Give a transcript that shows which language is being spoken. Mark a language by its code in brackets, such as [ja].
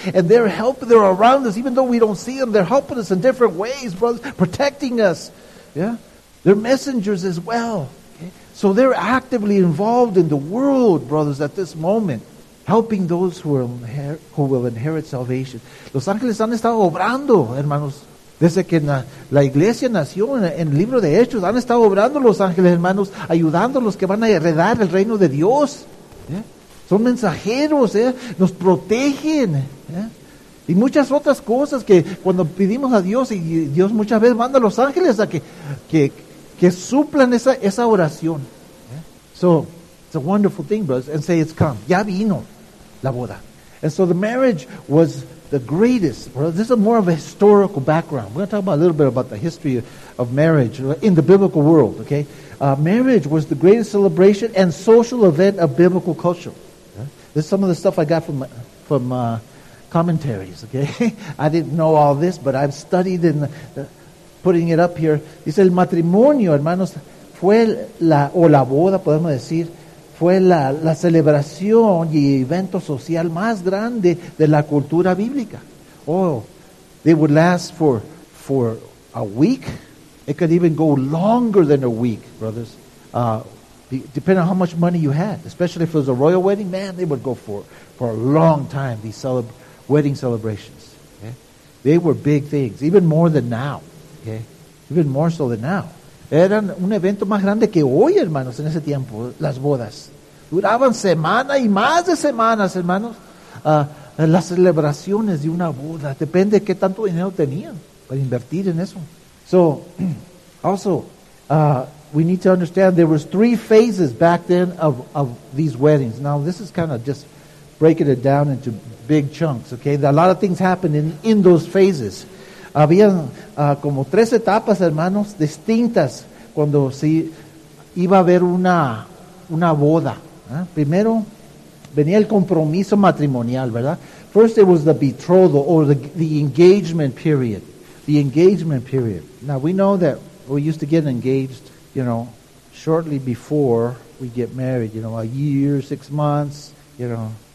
[en] And they're helping, they're around us, even though we don't see them. They're helping us in different ways, brothers, protecting us. Yeah? They're messengers as well. Okay? So they're actively involved in the world, brothers, at this moment, helping those who will inherit salvation. [es] Los ángeles han estado obrando, hermanos, Desde que la iglesia nació en el libro de Hechos, han estado obrando los ángeles, hermanos, ayudándolos que van a heredar el reino de Dios. Son mensajeros, nos protegen. Y muchas otras cosas que cuando pedimos a Dios, y Dios muchas veces manda a los ángeles a que suplan esa oración. [en] So, it's a wonderful thing, brothers, and say it's come. [es] Ya vino la boda. [en] And so the marriage was the greatest. Well, this is more of a historical background. We're going to talk about a little bit about the history of marriage in the biblical world, okay? Marriage was the greatest celebration and social event of biblical culture. This is some of the stuff I got from commentaries, okay? I didn't know all this, but I've studied in putting it up here. [es] Dice, el matrimonio, hermanos, fue la boda, podemos decir, fue la celebración y evento social más grande de la cultura bíblica. [en] Oh, they would last for a week. It could even go longer than a week, brothers. Depending on how much money you had, especially if it was a royal wedding, man, they would go for a long time, these wedding celebrations. Okay? They were big things, even more than now. Okay? Even more so than now. [es] Eran un evento más grande que hoy, hermanos, en ese tiempo, las bodas. Duraban semana y más de semanas, hermanos, las celebraciones de una boda. Depende de qué tanto dinero tenían para invertir en eso. [en] So, also, we need to understand there was three phases back then of these weddings. Now, this is kind of just breaking it down into big chunks, okay? A lot of things happened in those phases. [es] Habían como tres etapas, hermanos, distintas cuando se iba a haber una boda. Primero, venía el compromiso matrimonial, ¿verdad? [en] First, it was the betrothal or the engagement period. The engagement period. Now, we know that we used to get engaged, you know, shortly before we get married, you know, a year, 6 months, you know.